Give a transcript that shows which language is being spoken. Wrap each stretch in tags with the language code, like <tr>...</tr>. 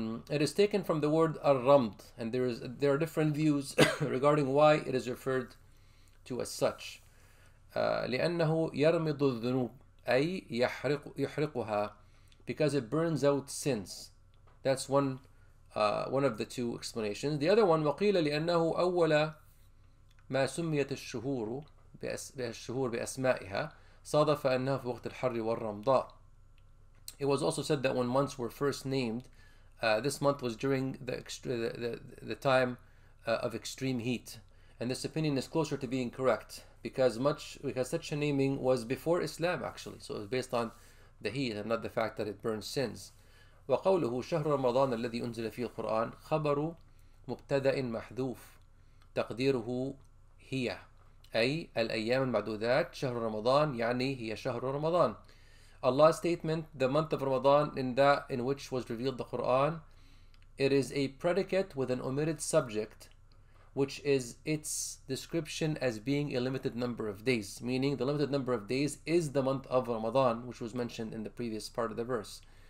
<en>It is taken from the word ar-ramd, and there are different views regarding why it is referred to as such.</en> <ar>لِأَنَّهُ يَرْمِضُ الذُّنُوبُ أي يَحْرِقُهَا,</ar> <en>because it burns out sins. That's one of the two explanations. The other one,</en> <ar>وَقِيلَ لِأَنَّهُ أَوَّلَ ما سميت الشهور بالشهور بأسمائها صادف أنها في وقت الحر والرمضاء.</ar> <en>It was also said that when months were first named, this month was during the time of extreme heat, and this opinion is closer to being correct because such a naming was before Islam actually, so it's based on the heat and not the fact that it burns sins.</en> <ar>وقوله شهر رمضان الذي أنزل فيه القرآن خبر مبتدأ محذوف تقديره هي أي الأيام المعدودات شهر رمضان يعني هي شهر رمضان.</ar> <en>Allah's statement, the month of Ramadan, in that in which was revealed the Quran, it is a predicate with an omitted subject, which is its description as being a limited number of days, meaning the limited number of days is the month of Ramadan, which was mentioned in the previous part of the verse.</en>